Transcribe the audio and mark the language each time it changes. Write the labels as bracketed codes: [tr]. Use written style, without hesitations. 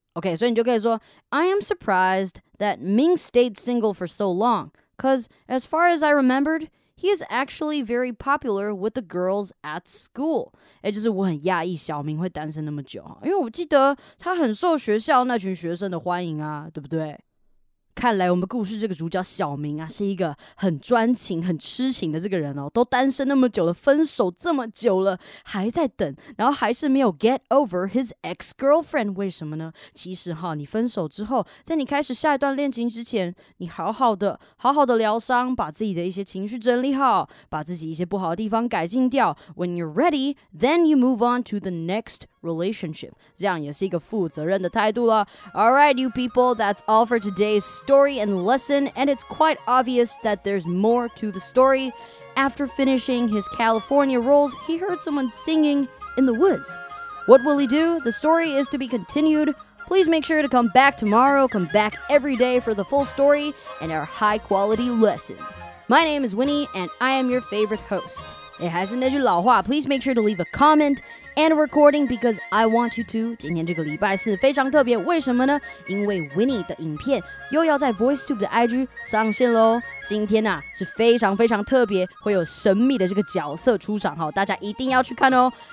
[en] OK， [zh] 所以你就可以说 [en] ，I am surprised that Ming stayed single for so long, cause as far as I remembered, he is actually very popular with the girls at school. [zh] 就是我很讶异小明会单身那么久，因为我记得他很受学校那群学生的欢迎啊，对不对？看来我们故事这个主角小明啊，是一个很专情、很痴情的这个人哦。都单身那么久了，分手这么久了，还在等，然后还是没有 [en] get over his ex-girlfriend， [zh] 为什么呢？其实哈，你分手之后，在你开始下一段恋情之前，你好好的疗伤，把自己的一些情绪整理好，把自己一些不好的地方改进掉。 [en] When you're ready, then you move on to the next relationship. [zh] 这样也是一个负责任的态度了。 [en] All right, you people, that's all for today's. Story and lesson, and it's quite obvious that there's more to the story. After finishing his California rolls, he heard someone singing in the woods. What will he do? The story is to be continued. Please make sure to come back tomorrow, come back every day for the full story and our high-quality lessons. My name is Winnie, and I am your favorite host. [zh] 还是那句老话, [en] please make sure to leave a comment. And recording because I want you to. [zh] 今天这个礼拜是非常特别，为什么呢？因为 Winnie 的影片又要在 VoiceTube 的 IG 上线咯。今天啊是非常非常特别，会有神秘的这个角色出场哦，大家一定要去看哦。